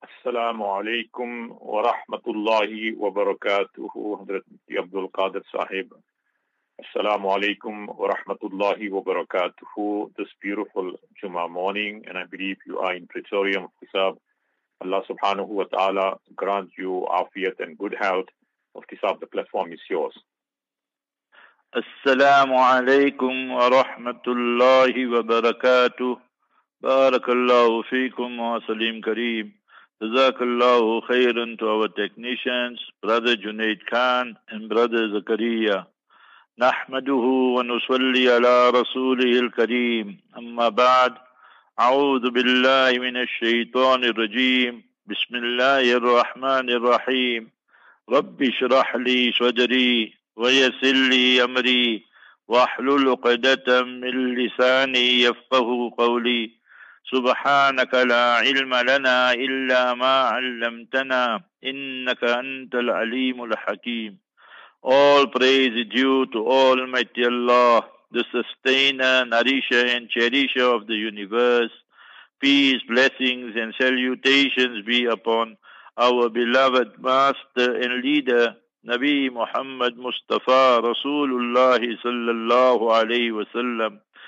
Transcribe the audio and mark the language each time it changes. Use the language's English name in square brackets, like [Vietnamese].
[Arabic] السلام عليكم ورحمة الله وبركاته. حضرت مفتی عبد القادر صاحب، السلام عليكم ورحمة الله وبركاته. [English] This beautiful Juma morning, and I believe you are in Pretoria, Muftisab. Allah subhanahu wa ta'ala grant you afiyat and good health. Muftisab, the platform is yours. [Arabic] السلام عليكم ورحمة الله وبركاته. بارك الله فيكم وسليم كريم. Jazakallahu khairan [English] to our technicians, Brother Junaid Khan and Brother Zakaria. [Arabic] Nahmaduhu wa nusalli ala rasulihi al-kareem. Amma ba'd, a'udhu billahi min ash-shaytanir rajim. Bismillahir Rahmanir Rahim. Rabbi shrah li sadri wa yassir li amri wa ahlul 'uqdatam min lisani yafqahu qawli. سبحانك لا علم لنا إلا ما علمتنا إنك أنت العليم الحكيم. [English] All praise is due to Almighty Allah, the sustainer, nourisher and cherisher of the universe. Peace, blessings and salutations be upon our beloved master and leader, Nabi Muhammad Mustafa Rasulullah sallallahu alayhi wa sallam.